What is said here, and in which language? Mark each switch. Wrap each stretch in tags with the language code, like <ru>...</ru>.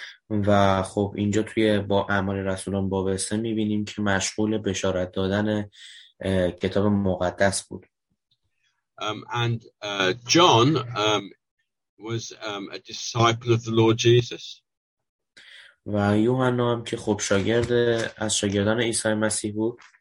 <fa>و خب اینجا توی با اعمال رسولان باب 3 می‌بینیم که مشغول بشارت دادن کتاب مقدس بود.</fa> <en>And John was a disciple of the Lord Jesus.</en> <fa>و یوحنا هم که خب شاگرد از شاگردان عیسی مسیح بود.</fa>